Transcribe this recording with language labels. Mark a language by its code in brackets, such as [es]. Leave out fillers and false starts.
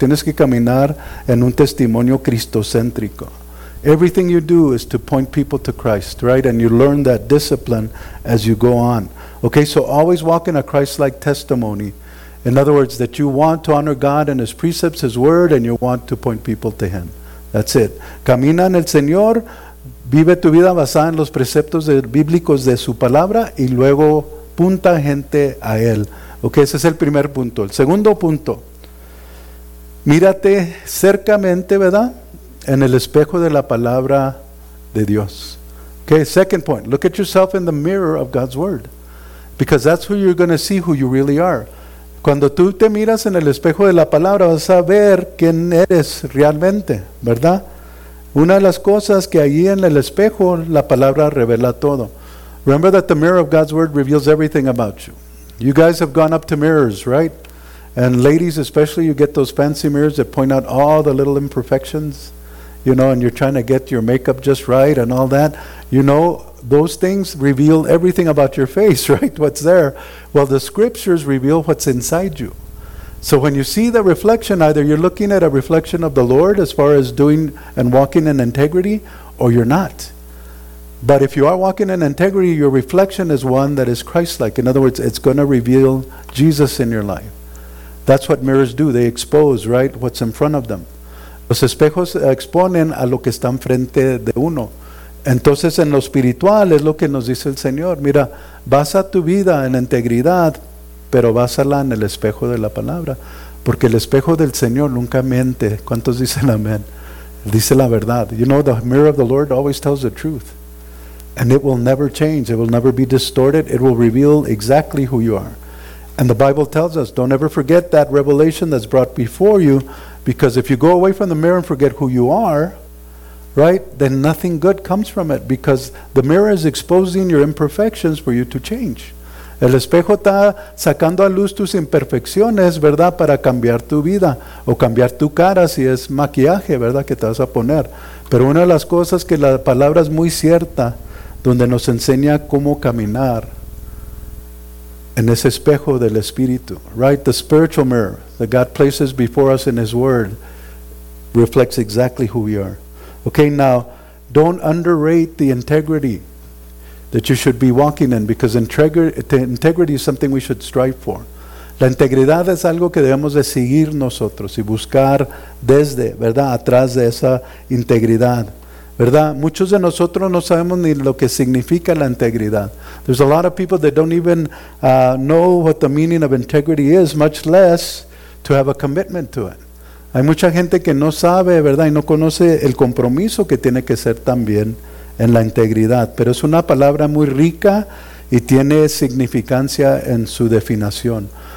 [es] Tienes que caminar en un testimonio cristocéntrico. [en] Everything you do is to point people to Christ, right? And you learn that discipline as you go on. Okay, so always walk in a Christ-like testimony. In other words, that you want to honor God and His precepts, His word, and you want to point people to Him. That's it. [es] Camina en el Señor, vive tu vida basada en los preceptos bíblicos de su palabra, y luego punta gente a Él. Ok, ese es el primer punto. El segundo punto, mírate cercamente, ¿verdad?, en el espejo de la palabra de Dios. [en] Ok, second point, look at yourself in the mirror of God's word, because that's who you're going to see who you really are. [es] Cuando tú te miras en el espejo de la palabra, vas a ver quién eres realmente, ¿verdad? Una de las cosas que allí en el espejo, la palabra revela todo. [en] Remember that the mirror of God's word reveals everything about you. You guys have gone up to mirrors, right? And ladies especially, you get those fancy mirrors that point out all the little imperfections, you know, and you're trying to get your makeup just right and all that. You know, those things reveal everything about your face, right? What's there? Well, the scriptures reveal what's inside you. So when you see the reflection, either you're looking at a reflection of the Lord as far as doing and walking in integrity, or you're not. But if you are walking in integrity, your reflection is one that is Christ-like. In other words, it's going to reveal Jesus in your life. That's what mirrors do. They expose, right, what's in front of them. [es] Los espejos exponen a lo que está enfrente de uno. Entonces, en lo espiritual, es lo que nos dice el Señor. Mira, basa tu vida en integridad, pero básala en el espejo de la palabra. Porque el espejo del Señor nunca miente. ¿Cuántos dicen amén? Dice la verdad. [en] You know, the mirror of the Lord always tells the truth. And it will never change. It will never be distorted. It will reveal exactly who you are. And the Bible tells us, don't ever forget that revelation that's brought before you, because if you go away from the mirror and forget who you are, right, then nothing good comes from it, because the mirror is exposing your imperfections for you to change. [es] El espejo está sacando a luz tus imperfecciones, ¿verdad? Para cambiar tu vida o cambiar tu cara si es maquillaje, ¿verdad? Que te vas a poner. Pero una de las cosas que la palabra es muy cierta, donde nos enseña cómo caminar en ese espejo del espíritu, [en] right? The spiritual mirror that God places before us in His Word reflects exactly who we are. Okay, now, don't underrate the integrity that you should be walking in, because integrity is something we should strive for. [es] La integridad es algo que debemos de seguir nosotros y buscar desde, ¿verdad? Atrás de esa integridad, ¿verdad? Muchos de nosotros no sabemos ni lo que significa la integridad. [en] There's a lot of people that don't even know what the meaning of integrity is, much less to have a commitment to it. [es] Hay mucha gente que no sabe, ¿verdad? Y no conoce el compromiso que tiene que ser también en la integridad. Pero es una palabra muy rica y tiene significancia en su definición.